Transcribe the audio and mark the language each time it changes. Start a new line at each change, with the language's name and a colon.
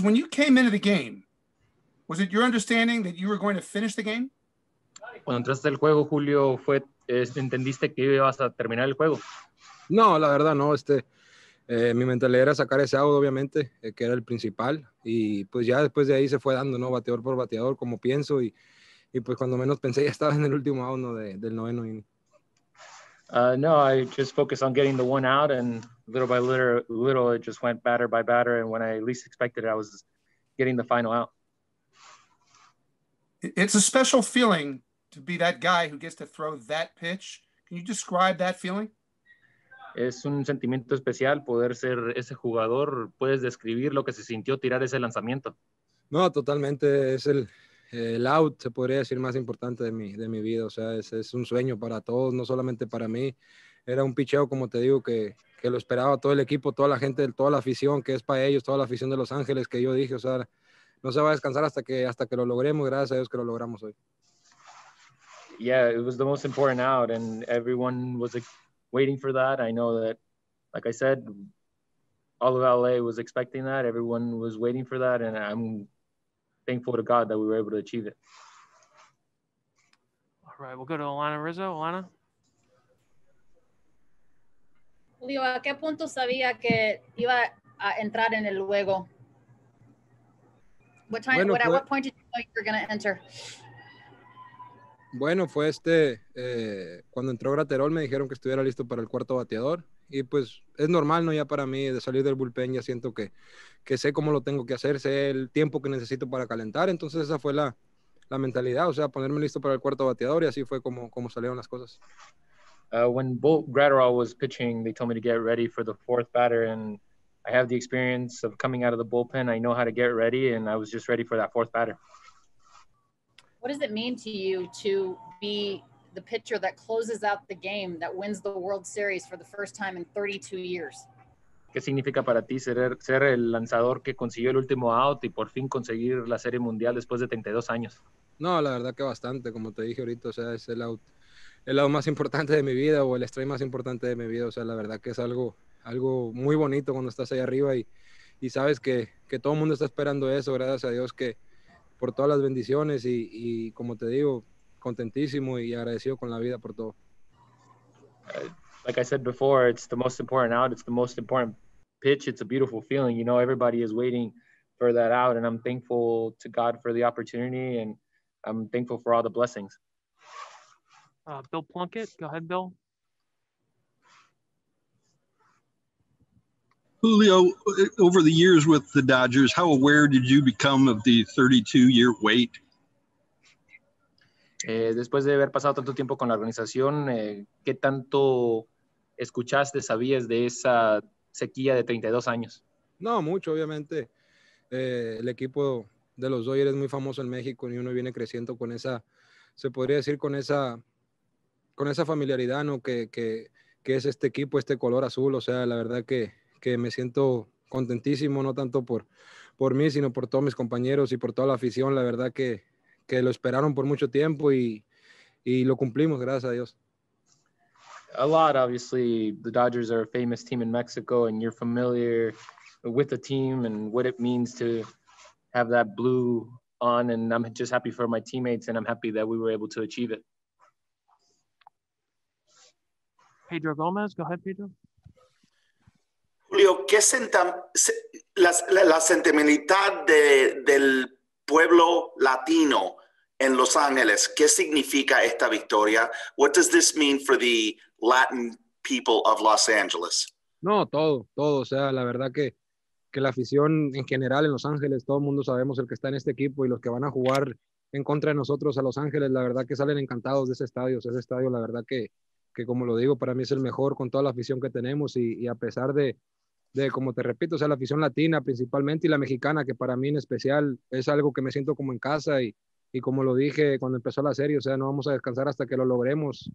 English: When you came into the game, was it your understanding that you were going to finish the game?
Spanish: Cuando entraste al juego, Julio, ¿entendiste que ibas a terminar el juego? No, la verdad no, mi mentalidad era sacar ese out, obviamente, que era el principal, y pues ya después de ahí se fue dando, ¿no? Bateador por bateador, como pienso, y pues cuando menos pensé ya estaba en el último out, ¿no? Del noveno inning.
English: No, I just focused on getting the one out, and little by little it just went batter by batter, and when I least expected it, I was getting the final out. It's a special feeling to be that guy who gets to throw that pitch. Can you describe that feeling?
Spanish: Es un sentimiento especial poder ser ese jugador. ¿Puedes describir lo que se sintió tirar ese lanzamiento? No, totalmente. Es el out, se podría decir, más importante de mi vida. O sea, es un sueño para todos, no solamente para mí. Era un picheo, como te digo, que lo esperaba todo el equipo, toda la gente, toda la afición, que es para ellos, toda la afición de Los Ángeles, que yo dije, o sea, no se va a descansar hasta que lo logremos. Gracias a Dios que lo logramos hoy.
English: Yeah, it was the most important out, and everyone was waiting for that. I know that, like I said, all of LA was expecting that. Everyone was waiting for that, and I'm thankful to God that we were able to achieve it. All right, we'll go to Alana Rizzo. Alana?
Spanish: Julio, ¿a qué punto sabía que iba a entrar en el juego?
English: What point did you know you were going to enter?
Spanish: Bueno, fue cuando entró Graterol, me dijeron que estuviera listo para el cuarto bateador, y pues es normal, ¿no? Ya para mí, de salir del bullpen, ya siento que sé cómo lo tengo que hacer, sé el tiempo que necesito para calentar, entonces esa fue la mentalidad, o sea, ponerme listo para el cuarto bateador, y así fue como salieron las cosas.
English: When Bolt Graterol was pitching, they told me to get ready for the fourth batter, and I have the experience of coming out of the bullpen, I know how to get ready, and I was just ready for that fourth batter. What does it mean to you to be the pitcher that closes out the game, that wins the World Series for the first time in 32 years?
Spanish: ¿Qué significa para ti ser el lanzador que consiguió el último out y por fin conseguir la Serie Mundial después de 32 años? No, la verdad que bastante, como te dije ahorita, o sea, es el out más importante de mi vida, o el strike más importante de mi vida, o sea, la verdad que es algo muy bonito cuando estás ahí arriba y sabes que todo el mundo está esperando eso, gracias a Dios que por todas las bendiciones y como te digo, contentísimo y agradecido con la vida por todo.
English: Like I said before, it's the most important out, it's the most important pitch, it's a beautiful feeling, you know, everybody is waiting for that out, and I'm thankful to God for the opportunity, and I'm thankful for all the blessings. Bill Plunkett, go ahead, Bill. Julio, over the years with the Dodgers, how aware did you become of the 32-year wait?
Spanish: Después de haber pasado tanto tiempo con la organización, ¿qué tanto escuchaste, sabías de esa sequía de 32 años? No, mucho, obviamente. El equipo de los Dodgers es muy famoso en México y uno viene creciendo con esa, se podría decir, con esa familiaridad, ¿no? Que es este equipo, este color azul, o sea, la verdad que me siento contentísimo, no tanto por mí, sino por todos mis compañeros y por toda la afición. La verdad que lo esperaron por mucho tiempo y lo cumplimos, gracias a Dios.
English: A lot, obviously, the Dodgers are a famous team in Mexico, and you're familiar with the team and what it means to have that blue on, and I'm just happy for my teammates, and I'm happy that we were able to achieve it. Pedro Gómez, go ahead, Pedro.
Spanish: Julio, ¿qué la sentimentalidad del pueblo latino en Los Ángeles? ¿Qué significa esta victoria?
English: What does this mean for the Latin people of Los Angeles?
Spanish: No, todo. O sea, la verdad que la afición en general en Los Ángeles, todo el mundo sabemos el que está en este equipo y los que van a jugar en contra de nosotros a Los Ángeles, la verdad que salen encantados de ese estadio. O sea, ese estadio, la verdad que como lo digo, para mí es el mejor con toda la afición que tenemos y a pesar de como te repito, o sea, la afición latina principalmente y la mexicana, que para mí en especial es algo que me siento como en casa y como lo dije cuando empezó la serie, o sea, no vamos a descansar hasta que lo logremos.